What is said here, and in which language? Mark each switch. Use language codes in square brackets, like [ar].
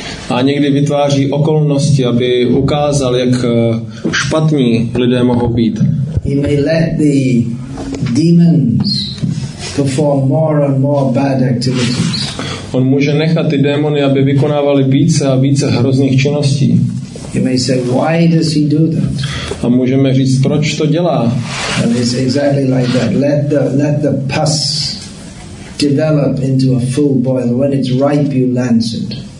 [cs] A někdy vytváří okolnosti, aby ukázal, jak špatní lidé mohou být. [en] He may let the demons perform more and more bad activities. [cs] On může nechat ty démony, aby vykonávali více a více hrozných činností. [en] You may say, why does he do that? [cs] A můžeme říct, proč to dělá? [en] And it's exactly like that. Let the pus develop into a full boil. When it's ripe, you lance it.